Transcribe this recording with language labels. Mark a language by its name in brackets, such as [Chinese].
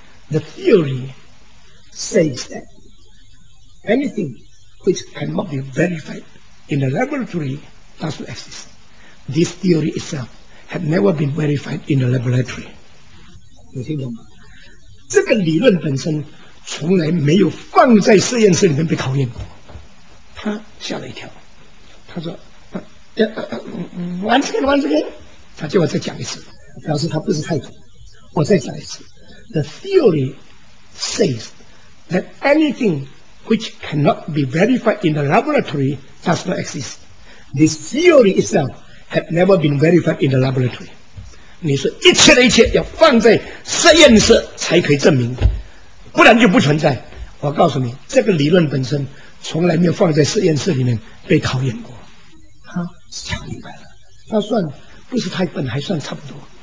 [English] The theory says that anything which cannot be verified in the laboratory does not exist. This theory itself had never been verified in the laboratory. [Chinese] 你听懂吗？这个理论本身从来没有放在实验室里面被考验过。他吓了一跳，他说 [English] Once again, [Chinese] 他叫我再讲一次，表示他不是太懂。我再讲一次 [English] ，The theory says that anything which cannot be verified in the laboratory does not exist. This theory itself had never been verified in the laboratory. [Chinese] 你说一切的一切要放在实验室才可以证明，不然就不存在。我告诉你，这个理论本身从来没有放在实验室里面被考验过。想明白了，他算不是太笨，还算差不多。